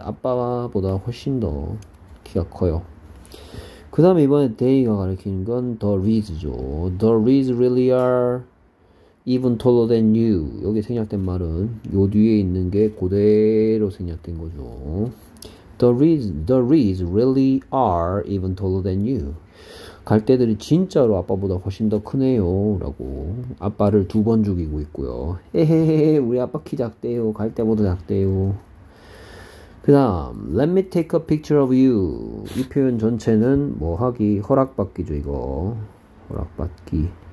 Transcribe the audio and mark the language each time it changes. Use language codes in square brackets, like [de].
[ko] 아빠보다 훨씬 더 키가 커요. 그 다음에 이번에 day가 가리키는 건 the reeds죠. [en] The reeds really are even taller than you. [ko] 여기 생략된 말은 요 뒤에 있는 게 그대로 생략된 거죠. [en] The reeds really are even taller than you. [ko] 갈대들이 진짜로 아빠보다 훨씬 더 크네요. 라고 아빠를 두번 죽이고 있고요. 에헤헤 우리 아빠 키 작대요. 갈대보다 작대요. 그다음 [en] Let me take a picture of you. [ko] 이 표현 전체는 뭐 하기 허락받기죠 이거. 허락받기.